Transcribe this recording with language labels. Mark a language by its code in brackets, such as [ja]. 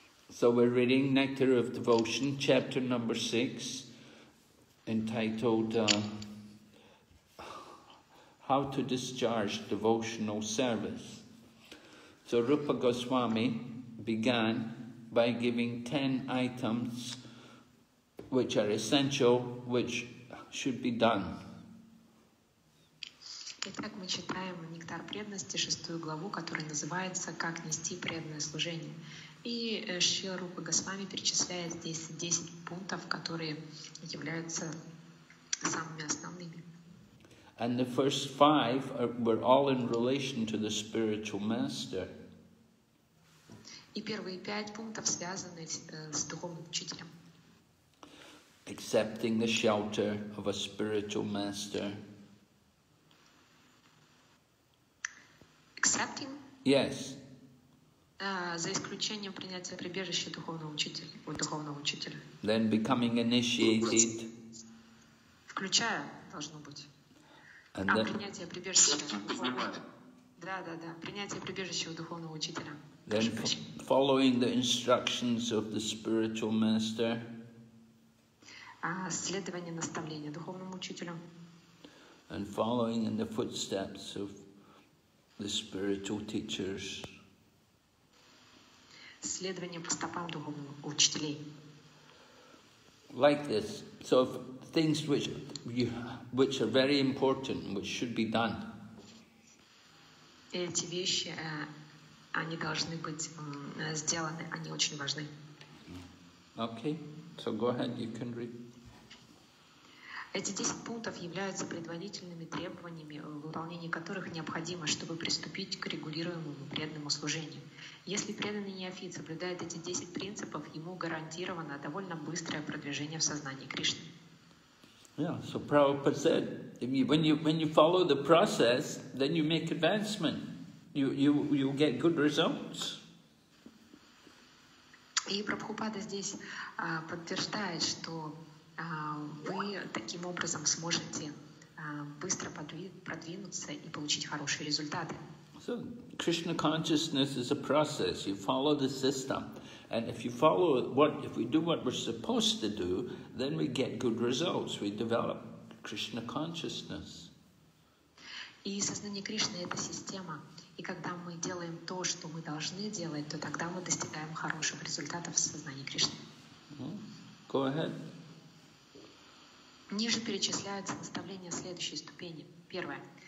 [en] So we're reading Nectar of Devotion, chapter number 6, entitled How to Discharge Devotional Service. So Rupa Goswami began by giving 10 items which are essential, which should be done. [ru] Итак, мы читаем «Нектар преданности», шестую главу, которая называется «Как нести преданное служение». И Шрила Рупа Госвами перечисляет здесь 10 пунктов, которые являются самыми основными. [en] And the first five were all in relation to the spiritual master. [ru] И первые 5 пунктов связаны с духовным учителем. [en] Accepting the shelter of a spiritual master. Accepting? Yes. [ru] За исключением принятия прибежища духовного учителя. [en] Then becoming initiated. [ru] Включая должно быть. [en] And [ru] принятие прибежища. Да. Принятие прибежища у духовного учителя. [en] Then following the instructions of the spiritual master. [ru] Следование наставления духовному учителю. [en] And following in the footsteps of the spiritual teachers. [ru] Следование по стопам духовных учителей. [en] Like this, so things which are very important, which should be done. [ru] Эти вещи, они должны быть сделаны, они очень важны. [en] Okay, so go ahead, you can read. [ru] Эти 10 пунктов являются предварительными требованиями, выполнение которых необходимо, чтобы приступить к регулируемому преданному служению. Если преданный неофит соблюдает эти 10 принципов, ему гарантировано довольно быстрое продвижение в сознании Кришны. [en] Yeah, so Prabhupada said, when you follow the process, then you make advancement. You get good results. И Прабхупада здесь подтверждает, что вы таким образом сможете быстро продвинуться и получить хорошие результаты. So, Krishna consciousness is a process. You follow the system. And if you follow what, if we do what we're supposed to do, then we get good results. We develop Krishna consciousness. [ru] И сознание Кришны — это система. И когда мы делаем то, что мы должны делать, то тогда мы достигаем хороших результатов в сознании Кришны. [en] Go ahead. [ru] Ниже перечисляются наставления следующей ступени. Первое.